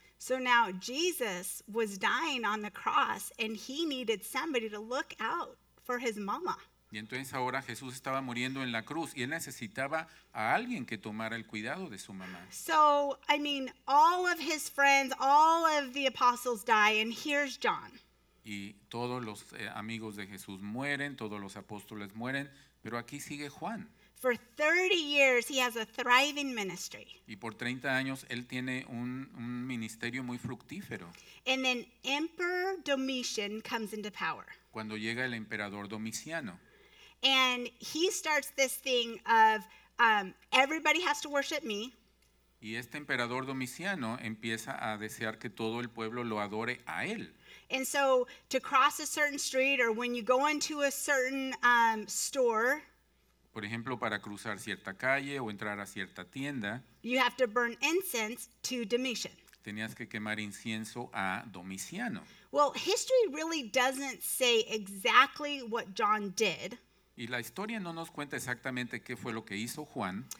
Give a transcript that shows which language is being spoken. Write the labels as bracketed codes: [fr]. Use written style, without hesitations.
[en] So now Jesus was dying on the cross and he needed somebody to look out for his mama. [es] Y entonces ahora Jesús estaba muriendo en la cruz y él necesitaba a alguien que tomara el cuidado de su mamá. [en] So, I mean, all of his friends, all of the apostles die and here's John. [es] Y todos los amigos de Jesús mueren, todos los apóstoles mueren, pero aquí sigue Juan. [en] For 30 years, he has a thriving ministry. [es] Y por 30 años, él tiene un ministerio muy fructífero. [en] And then Emperor Domitian comes into power. [es] Cuando llega el emperador Domiciano. [en] And he starts this thing of everybody has to worship me. [es] Y este emperador Domiciano empieza a desear que todo el pueblo lo adore a él. [en] And so to cross a certain street or when you go into a certain store, [es] por ejemplo, para cruzar cierta calle o entrar a cierta tienda, [en] you have to burn incense to Domitian. [es] Tenías que quemar incienso a Domiciano. [en] Well, history really doesn't say exactly what John did. [es] Y la historia no nos cuenta exactamente qué fue lo que hizo Juan.